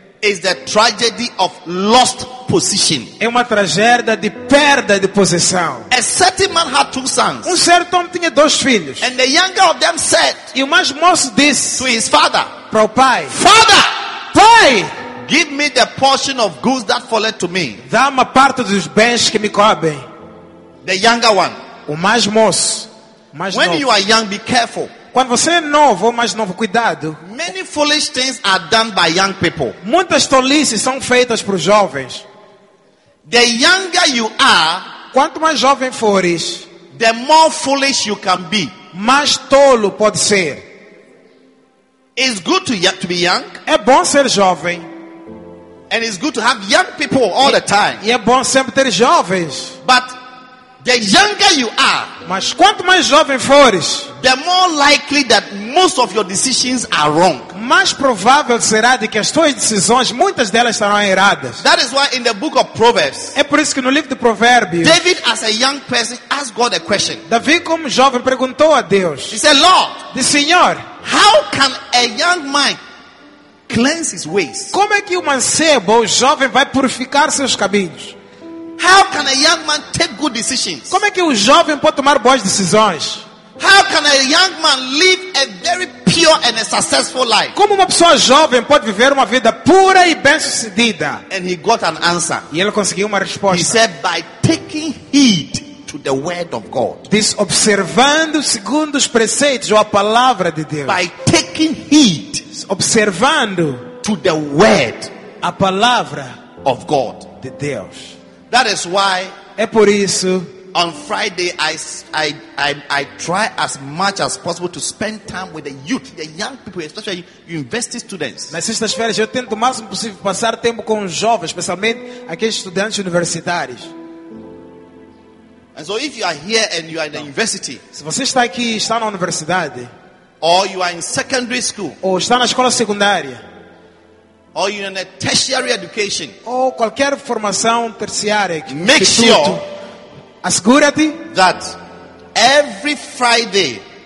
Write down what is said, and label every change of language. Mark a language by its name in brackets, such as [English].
[English] Is the tragedy of lost position. [Portuguese] É uma tragédia de perda de posição. [English] A certain man had two sons. [Portuguese] Um certo homem tinha dois filhos. [English] And the younger of them said, [Portuguese] e o mais moço disse, [English] to his father, [Portuguese] para o pai, [English] father, [Portuguese] pai, [English] give me the portion of goods that falleth to me. [Portuguese] Dá-me a parte dos bens que me cobrem. [English] The younger one, [Portuguese] o mais moço, mais [English] when [Portuguese] novo. [English] You are young, be careful. [Portuguese] Quando você é novo ou mais novo, cuidado. [English] Many foolish things are done by young people. [Portuguese] Muitas tolices são feitas por jovens. [English] The younger you are, [Portuguese] quanto mais jovem fores, [English] the more foolish you can be. [Portuguese] Mais tolo pode ser. [English] It's good to be young. [Portuguese] É bom ser jovem. [English] And it's good to have young people all the time. [Portuguese] E é bom sempre ter jovens. [English] But the younger you are, [Portuguese] mas quanto mais jovem fores, [English] the more likely that most of your decisions are wrong. [Portuguese] Mais provável será de que as tuas decisões, muitas delas estarão erradas. [English] That is why in the book of Proverbs, [Portuguese] é por isso que no livro de Provérbios, [English] David as a young person asked God a question. [Portuguese] Davi como jovem perguntou a Deus. [English] He said, Lord, [Portuguese] the Senhor, [English] how can a young man cleanse his ways? [Portuguese] Como é que um mancebo, o jovem vai purificar seus caminhos? [English] How can a young man take good decisions? [Portuguese] Como é que um jovem pode tomar boas decisões? [English] How can a young man live a very pure and a successful life? [Portuguese] Como uma pessoa jovem pode viver uma vida pura e bem-sucedida? [English] And he got an answer. [Portuguese] E ele conseguiu uma resposta. [English] He said, by taking heed to the word of God. [Portuguese] Diz, observando segundo os preceitos ou a palavra de Deus. [English] By taking heed, [Portuguese] observando [English] to the word, [Portuguese] a palavra [English] of God, [Portuguese] de Deus. [English] That is why, [Portuguese] é por isso, [English] on Friday I try as much as possible to spend time with the youth, the young people, especially university students. [Portuguese] Nas sextas-feiras eu tento o máximo possível passar tempo com os jovens, especialmente aqueles estudantes universitários. [English] And so if you are here and you are in the university, [Portuguese] se você está aqui e está na universidade, [English] or you are in secondary school, [Portuguese] ou está na escola secundária, [English] or you're in a tertiary education, [Portuguese] ou qualquer formação terciária, [English] make sure, [Portuguese] assegura-te, [English] that every Friday,